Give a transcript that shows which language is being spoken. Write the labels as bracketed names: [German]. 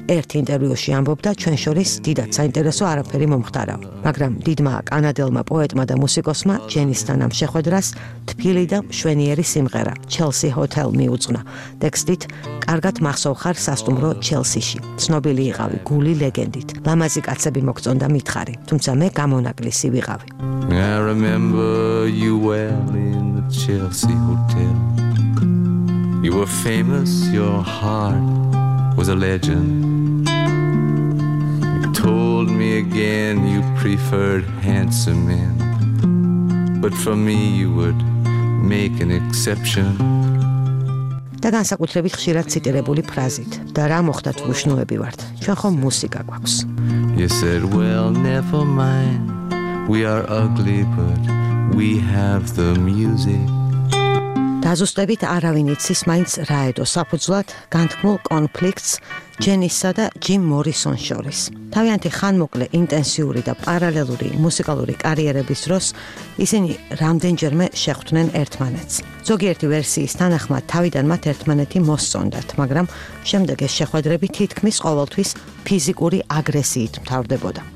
[Georgian] ერთ ინტერვიუში ამბობდა, ჩვენ შორის დიდად საინტერესო არაფერი მომხდარაო, მაგრამ დიდმა კანადელმა პოეტმა და მუსიკოსმა ჯენისთან ამ შეხვედრას თბილი და მშვენიერი სიმღერა Chelsea Hotel მიუძღვნა ტექსტით: კარგად მახსოვხარ სასტუმრო ჩელსიში, ცნობილი იყავი გული ლეგენდით, ლამაზი კაცები მოგწონდა მითხარი, თუმცა მე გამონაკლისი ვიყავი. [English] I remember you well in the Chelsea Hotel. You were famous, your heart was a legend. You told me again you preferred handsome men, but for me you would make an exception. [Georgian] და განსაკუთრებით ხშირად ციტირებული ფრაზით: და რა მოხდა თუ უშნოები ვართ, ჩვენ ხომ მუსიკა გვაქვს. [English] You said, well, never mind, we are ugly but we have the music. [Georgian] დაზუსტებით არავინ იცის მაინც რა ედო საფუძვლად განთქმულ კონფლიქტს ჯენისსა და ჯიმ მორისონ შორის. თავიანთი ხანმოკლე ინტენსიური და პარალელური მუსიკალური კარიერების დროს ისინი რამდენჯერმე შეხვდნენ ერთმანეთს. ზოგიერთი ვერსიის თანახმად თავიდან მათ ერთმანეთი მოსწონდათ, მაგრამ შემდეგ ეს შეხვედრები თითქმის ყოველთვის ფიზიკური აგრესიით მთავრდებოდა.